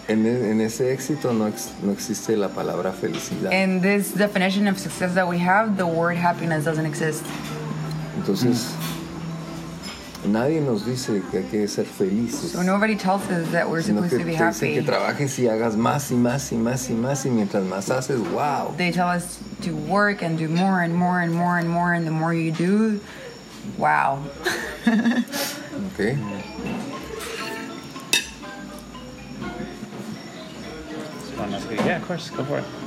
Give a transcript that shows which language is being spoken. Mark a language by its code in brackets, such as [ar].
[es] En ese éxito no existe la palabra felicidad. [en] In this definition of success that we have, the word happiness doesn't exist. [es] Entonces. Mm. Nadie nos dice que hay que ser felices. [en] So nobody tells us that we're supposed to be happy. [es] Sino que trabajes y hagas más y más y más y más y mientras más haces, wow. [en] They tell us to work and do more and more and more and more and the more you do, wow. Okay. Yeah, of course, go for it.